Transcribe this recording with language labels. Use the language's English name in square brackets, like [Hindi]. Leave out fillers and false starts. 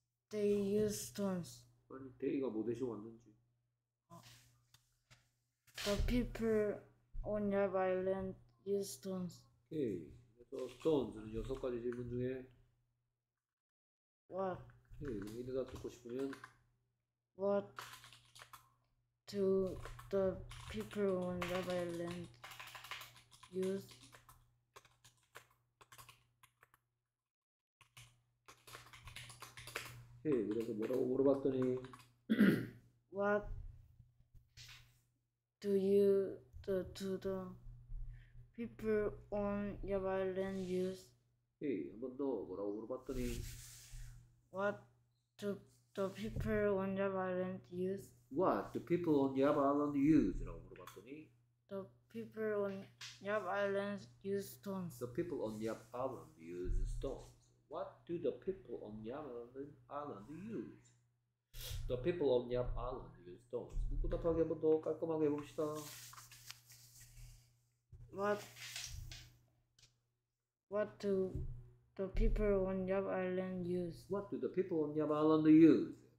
[English] They use stones [Korean] 아니 they가 뭐 대신 왔는지 [English] The people on Yap Island use stones [Korean] 오케이 스톤즈는 여섯 가지 질문 중에 [English] What? [Korean] 이 대답 듣고 싶으면 [English] What do the people on the island use? [Korean] 그래서 뭐라고 물어봤더니 [English] What do you do to the people on your island use? [Korean] Hey, 한번더 뭐라고 물어봤더니 [English] What do the people on your island use? What do people on Java Island use? [Korean] 라고 물어봤더니 [English] The people on Yap Island use stones. The people on Yap Island use stones. What do the people on Yap Island use? The people on Yap Island use stones. [Korean] 묻고답하게 한번 더 깔끔하게 해봅시다. [English] What do the people on Yap Island use? What do the people on Yap Island use?